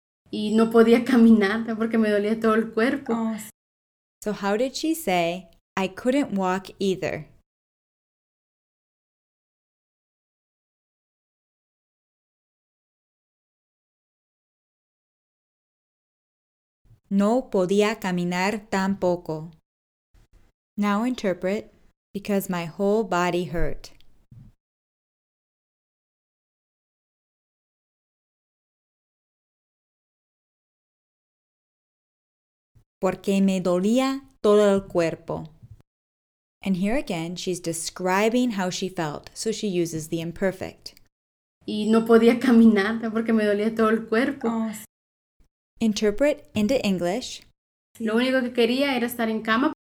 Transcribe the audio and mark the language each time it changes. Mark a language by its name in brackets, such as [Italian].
[Spanish] Y no podía caminar porque me dolía todo el cuerpo. Oh. [English] So how did she say, I couldn't walk either? [Spanish] No podía caminar tampoco. [English] Now interpret, because my whole body hurt. [Spanish] Porque me dolía todo el cuerpo. [English] And here again, she's describing how she felt, so she uses the imperfect. [Spanish] Y no podía caminar porque me dolía todo el cuerpo. Oh. [English] Interpret into English. [Spanish] Lo único que quería era estar en cama.